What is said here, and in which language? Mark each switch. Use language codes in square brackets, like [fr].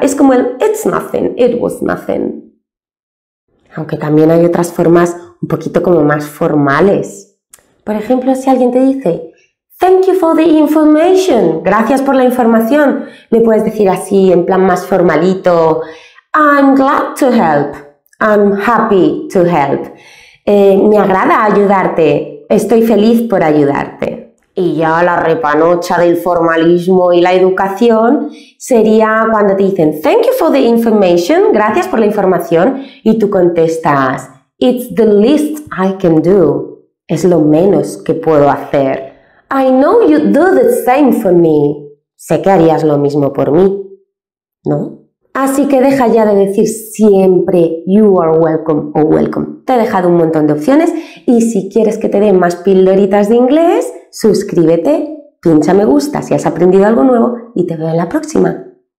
[es] Es como el [en] it's nothing, it was nothing. [es] Aunque también hay otras formas un poquito como más formales. Por ejemplo, si alguien te dice, [en] thank you for the information. [es] Gracias por la información. Le puedes decir así, en plan más formalito, [en] I'm glad to help. I'm happy to help. [es] Me agrada ayudarte. Estoy feliz por ayudarte. Y ya la repanocha del formalismo y la educación sería cuando te dicen [en] thank you for the information, [es] gracias por la información, y tú contestas [en] it's the least I can do. [es] Es lo menos que puedo hacer. [en] I know you'd do the same for me. [es] Sé que harías lo mismo por mí, ¿no? Así que deja ya de decir siempre [en] you are welcome [es] o [en] welcome. [es] Te he dejado un montón de opciones y si quieres que te dé más pildoritas de inglés, suscríbete, pincha me gusta si has aprendido algo nuevo y te veo en la próxima.